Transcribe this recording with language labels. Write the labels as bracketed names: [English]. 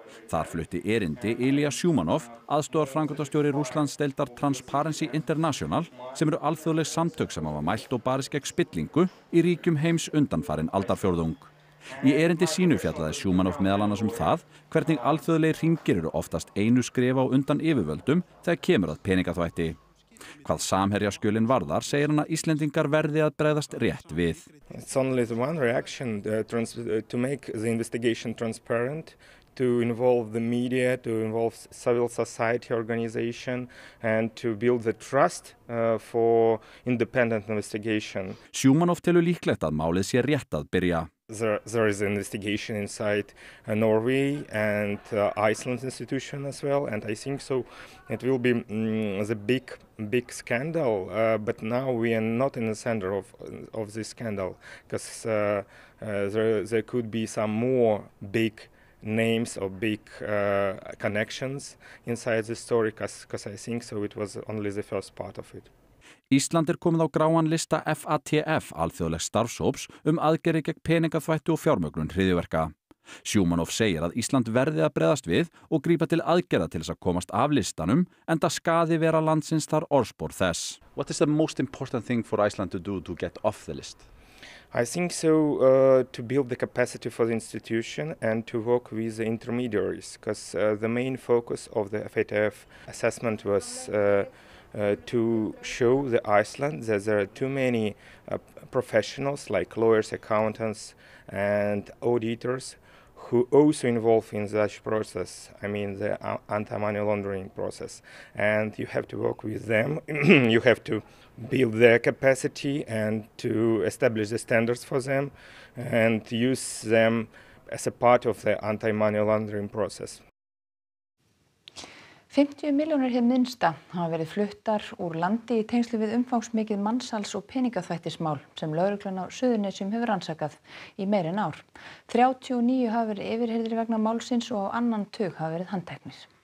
[Icelandic] Þar flutti erindi Ilja Sjúmanov, aðstoðar framkvæmdastjóri Rússlandsdeildar Transparency International, sem eru alþjóðleg samtök sem hafa mælt og barist gegn spillingu í ríkjum heims undanfarin aldarfjórðung. Í erindi sínu fjallaði Sjúmanov meðal annars það hvernig alþjóðleg hringir eru oftast einu skrefa á undan yfirvöldum þegar kemur að peningaþvætti. Hvað samherjaskjölin varðar, segir hann að Íslendingar verði að bregðast rétt við. [English] It's only the one reaction to make the investigation transparent, to involve the media, to involve civil society organization and to build the trust for independent investigation. [Icelandic] Shumanov telur líklegt að málið sé rétt að byrja. [English] There is an investigation inside Norway and Iceland institution as well, and I think so it will be the big scandal, but now we are not in the center of this scandal, because there could be some more big names or big connections inside the story, because I think so it was only the first part of it. [Icelandic] Ísland komið á gráan lista FATF, alþjóðleg starfshóps, aðgerðir gegn peningaþvætti og fjármögnun hryðjuverka. Shumanov segir að Ísland verði að bregðast við og grípa til aðgerða til þess að komast af listanum, enda skaði vera landsins þar orðspor þess. [English] What is the most important thing for Iceland to do to get off the list? I think so, to build the capacity for the institution and to work with the intermediaries, because the main focus of the FATF assessment was to show the Iceland that there are too many professionals like lawyers, accountants and auditors who also involved in such process, I mean the anti-money laundering process, and you have to work with them, you have to build their capacity and to establish the standards for them and use them as a part of the anti-money laundering process. [Icelandic] 50 miljónir hér minnsta hafa verið fluttar úr landi í tengslu við umfangsmikið mansals- og peningaþvættismál sem lögreglan á Suðurnesjum hefur rannsakað í meira en ár. 39 hafa verið yfirheyrðir vegna málsins og á annan tug hafa verið handteknir.